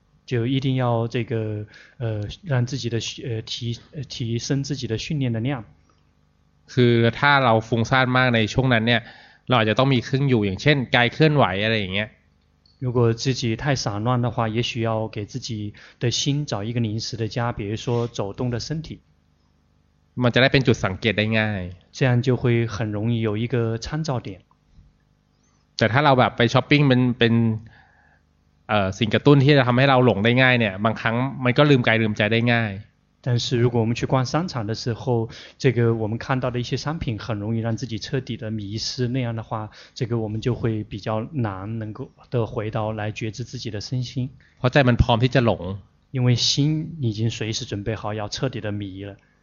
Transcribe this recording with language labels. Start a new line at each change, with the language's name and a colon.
Chinese: 就一定要这个让自己的提升自己的训练的量
Thai: คือถ้าเราฟุ้งซ่านมากในช่วงนั้นเนี่ยเราอาจจะต้องมีเครื่องอยู่อย่างเช่นกายเคลื่อนไหวอะไรอย่างเงี้ย
Chinese: 如果自己太散乱的话也许要给自己的心找一个临时的家比如说走动的身体
Thai: มันจะได้เป็นจุดสังเกตได้ง่าย
Chinese: 这样就会很容易有一个参照点
Thai: แต่ถ้าเราแบบไปช้อปปิ้งเป็นสิ่งกระตุ้นที่จะทำให้เราหลงได้ง่ายเนี่ยบางครั้งมันก็ลืมกายลืมใจได้ง่าย
Chinese: 但是如果我们去逛商场的时候，这个我们看到的一些商品很容易让自己彻底的迷失，那样的话，这个我们就会比较难能够的回到来觉知自己的身心。
Thai: เพราะใจมันพร้อมที่จะหลง
Chinese: 因为心已经随时准备好要彻底的迷了。